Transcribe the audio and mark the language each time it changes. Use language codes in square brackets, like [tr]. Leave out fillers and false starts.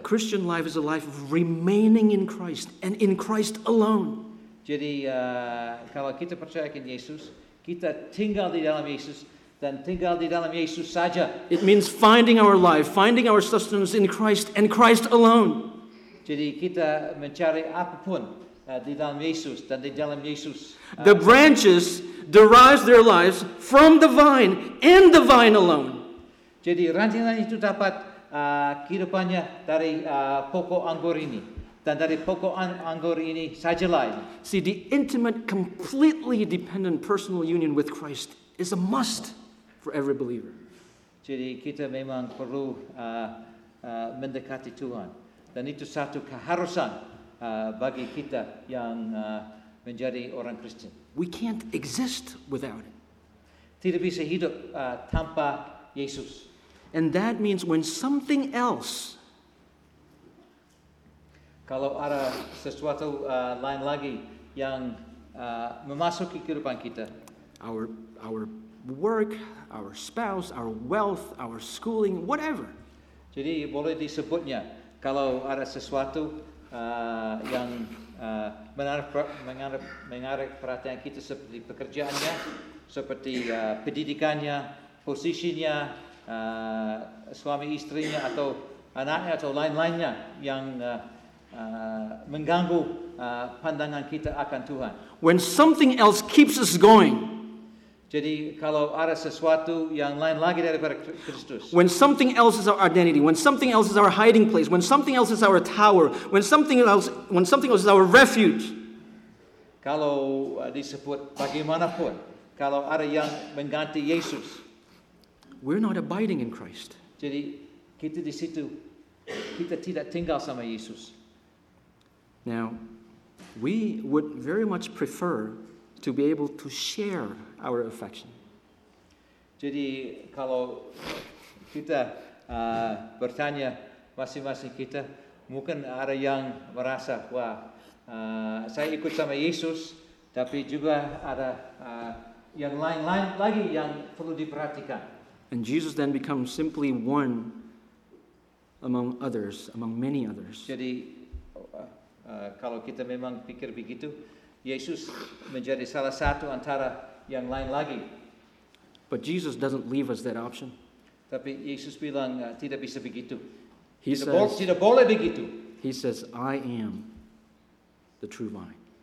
[en] Christian life is a life of remaining in Christ and in Christ alone. [id] Jadi kalau kita percaya in Yesus, kita tinggal di dalam Yesus dan tinggal di dalam Yesus saja. [en] It means finding our life, finding our sustenance in Christ and Christ alone. [id] Jadi kita mencari apapun di dalam Yesus dan di dalam Yesus. [en] The branches derives their lives from the vine and the vine alone. [id] Jadi ranting-ranting itu dapat kehidupannya dari pokok anggur ini dan dari pokok anggur ini sajalah. [en] See, the intimate, completely dependent personal union with Christ is a must for every believer. [id] Jadi kita memang perlu mendekati Tuhan, dan itu satu keharusan bagi kita yang menjadi orang Kristen. [en] We can't exist without it. [id] Tidak bisa hidup tanpa Yesus. [en] And that means when something else, [id] kalau ada sesuatu lain lagi yang memasuki kehidupan kita, [en] our work, our spouse, our wealth, our schooling, whatever. [id] Jadi boleh disebutnya kalau ada sesuatu yang menarik perhatian kita seperti pekerjaannya, seperti pendidikannya, posisinya, suami istrinya atau anaknya atau lain-lainnya yang mengganggu pandangan kita akan Tuhan. [en] When something else keeps us going. [id] Jadi kalau ada sesuatu yang lain lagi daripada Kristus. [en] When something else is our identity, when something else is our hiding place, when something else is our tower, when something else is our refuge. [id] Kalau disebut bagaimanapun, kalau ada yang mengganti Yesus. [en] We're not abiding in Christ. [id] Jadi kita di situ, kita tidak tinggal sama Yesus. [en] Now, we would very much prefer to be able to share our affection. [id] Jadi kalau kita bertanya masing-masing kita, mungkin ada yang merasa, wah, saya ikut sama Yesus, tapi juga ada yang lain-lain lagi yang perlu diperhatikan. [en] And Jesus then becomes simply one among others, among many others. [id] Jadi kalau kita memang pikir begitu, Yesus menjadi salah satu antara yang lain lagi. [en] But Jesus doesn't leave us that option. [id] Tapi Yesus bilang tidak bisa begitu. [en] He [id] tidak [en] says, [id] tidak boleh begitu. [en] He says, I am the true vine.